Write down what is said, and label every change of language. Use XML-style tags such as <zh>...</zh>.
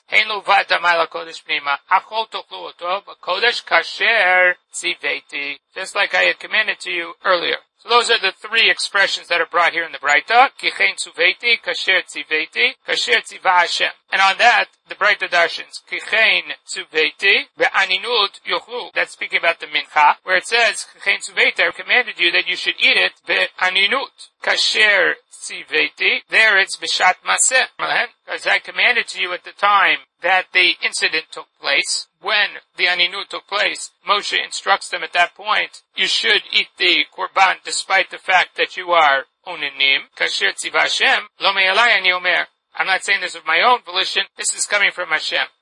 <he>אין לו ועד המעל הקודש פנימה. אכול תאכלו אותו בקודש כאשר ציוויתי.</he> <en>Just like I had commanded to you earlier. So those are the three expressions that are brought here in the Braita.</en> <he>כי כן צוויתי, כאשר ציוויתי, כאשר ציווה השם.</he> <en>And on that, the Braita darshins.</en> <he>כי כן צוויתי, בענינות יאכלו.</he> <en>That's speaking about the mincha, where it says,</en> <he>כי כן צוויתי,</he> <en>I commanded you that you should eat it, בענינות.</en> <he>כאשר ציוויתי,</he> <en>there it's</en> <he>בשעת מעשה.</he> <en>As I commanded to you at the time that the incident took place, when the aninut took place, Moshe instructs them at that point, you should eat the korban despite the fact that you are oninim.</en> <he>Kasher tziva Hashem, lo me'alai ani omer.</he> <en>I'm not saying this of my own volition, this is coming from Hashem.</en>